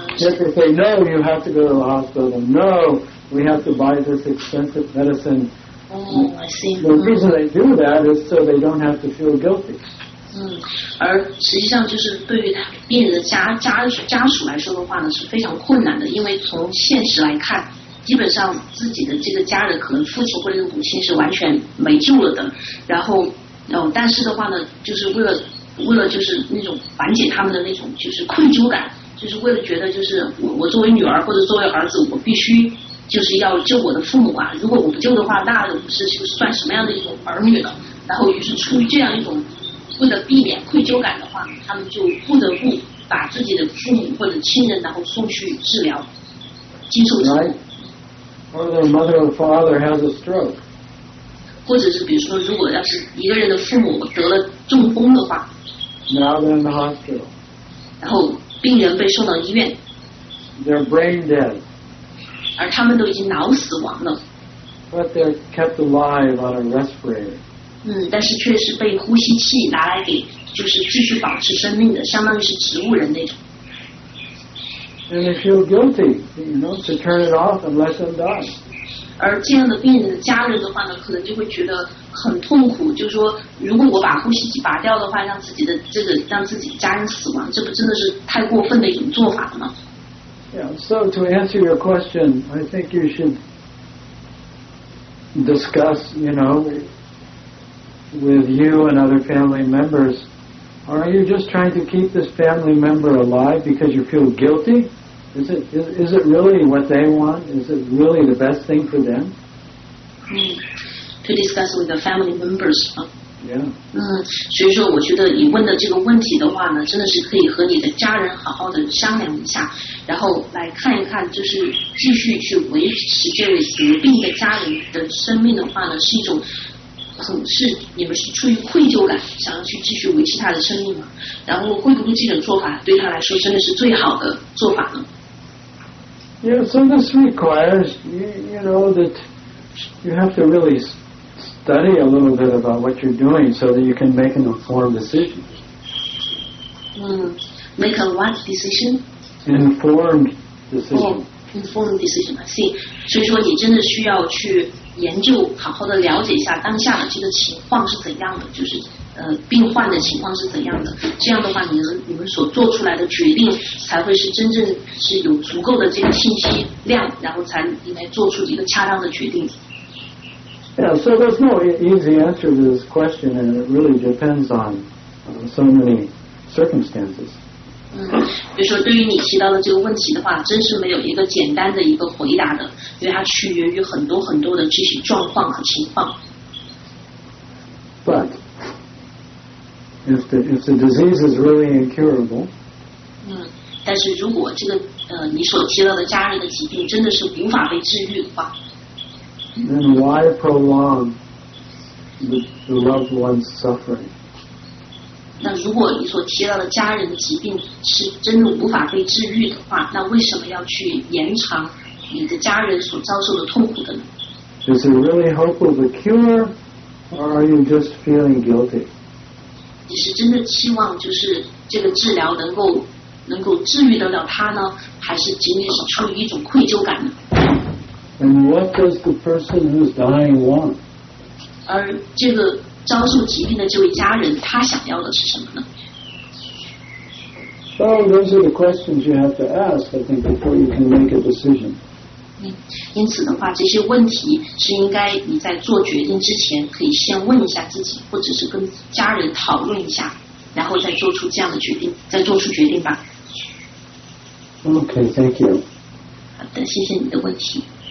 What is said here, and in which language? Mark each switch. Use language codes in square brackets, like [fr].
[en] Just if they know you have to go to the hospital, no. We have to buy this expensive medicine. Oh, I see. The reason they do that is so they don't have to feel guilty. [zh] 而实际上就是对于病人的家属来说的话呢，是非常困难的，因为从现实来看，基本上自己的这个家人，可能父亲或者母亲是完全没救了的。然后，但是的话呢，就是为了就是那种缓解他们的那种就是愧疚感，就是为了觉得就是我作为女儿或者作为儿子，我必须。就是要救我的父母啊！如果我不救的话，那是算什么样的一种儿女呢？然后，于是出于这样一种为了避免愧疚感的话，他们就不得不把自己的父母或者亲人，然后送去治疗，接受治疗。 [en] Right. Or their mother or father has a stroke. [zh] 或者是比如说，如果要是一个人的父母得了中风的话 [en] ，Now they're in the hospital. [zh] 然后病人被送到医院。 [en] They're brain dead. [zh] 而他们都已经脑死亡了。 [en] But they're kept alive on a respirator. [zh] 但是却是被呼吸器拿来给，就是继续保持生命的，相当于是植物人那种。 [en] And they feel guilty, you know, to turn it off and let them die. [zh] 而这样的病人的家人的话呢，可能就会觉得很痛苦，就是说，如果我把呼吸器拔掉的话，让自己家人死亡，这不真的是太过分的一种做法吗？ [en] Yeah, so to answer your question, I think you should discuss, you know, with you and other family members, are you just trying to keep this family member alive because you feel guilty? Is it really what they want? Is it really the best thing for them? To discuss with the family members, Yeah. [zh] 所以说我觉得你问的这个问题的话呢，真的是可以和你的家人好好的商量一下，然后来看一看，就是继续去维持这位得病的家人的生命的话呢，是一种是你们是出于愧疚感想要去继续维持他的生命吗？然后会不会这种做法对他来说真的是最好的做法呢？ [en] Yeah, so this requires you know that you have to really study a little bit about what you're doing so that you can make an informed decision. Make a what decision? Informed decision. Oh, informed decision, I see. [zh] 所以说你真的需要去研究，好好的了解一下当下的这个情况是怎样的，就是病患的情况是怎样的。这样的话你们所做出来的决定才会是真正是有足够的这个信息量，然后才你来做出一个恰当的决定。 [en] Yeah, so there's no easy answer to this question, and it really depends on so many circumstances. [zh] 比如说对于你提到的这个问题的话，真是没有一个简单的一个回答的，因为它取决于很多很多的这些状况和情况。 [en] But if the disease is really incurable, [zh] 但是如果这个你所提到的家人的疾病真的是无法被治愈的话。 [en] Then why prolong the loved one's suffering? [zh] 那如果你所提到的家人的疾病是真的无法被治愈的话，那为什么要去延长你的家人所遭受的痛苦的呢？ [en] Is it really hope of a cure, or are you just feeling guilty? [zh] 你是真的期望就是这个治疗能够治愈得了他呢，还是仅仅是出于一种愧疚感呢？ [en] And what does the person who's dying want? [zh] 而这个遭受疾病的这位家人，他想要的是什么呢？ [en] So those are the questions you have to ask, I think, before you can make a decision. [zh] 因此的话，这些问题是应该你在做决定之前可以先问一下自己，或者是跟家人讨论一下，然后再做出这样的决定，再做出决定吧。 [en] Okay, thank you. [zh] 好的，谢谢你的问题。